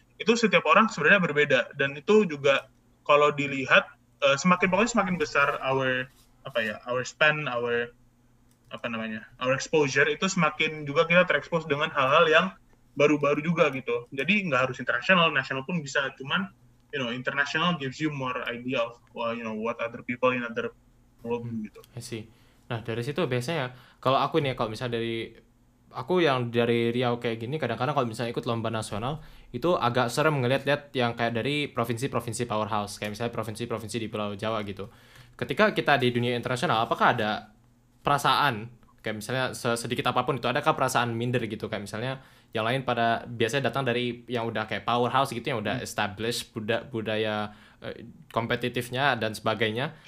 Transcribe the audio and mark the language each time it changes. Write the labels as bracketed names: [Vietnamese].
[Indonesian] Itu setiap orang sebenarnya berbeda, dan itu juga kalau dilihat, semakin pokoknya semakin besar [English] our exposure, [Indonesian] itu semakin juga kita terekspos dengan hal-hal yang baru-baru juga gitu. Jadi nggak harus internasional, nasional pun bisa, cuman [English] you know, international gives you more idea of you know what other people in other world do [Indonesian] gitu. [English] I see. [Indonesian] Nah, dari situ biasanya kalau aku nih, kalau misalnya dari aku yang dari Riau kayak gini, kadang-kadang kalau misalnya ikut lomba nasional itu agak serem ngeliat-liat yang kayak dari provinsi-provinsi powerhouse, kayak misalnya provinsi-provinsi di Pulau Jawa gitu. Ketika kita di dunia internasional, apakah ada perasaan kayak misalnya sedikit apapun itu, adakah perasaan minder gitu, kayak misalnya yang lain pada biasanya datang dari yang udah kayak powerhouse gitu, yang udah established budaya kompetitifnya dan sebagainya.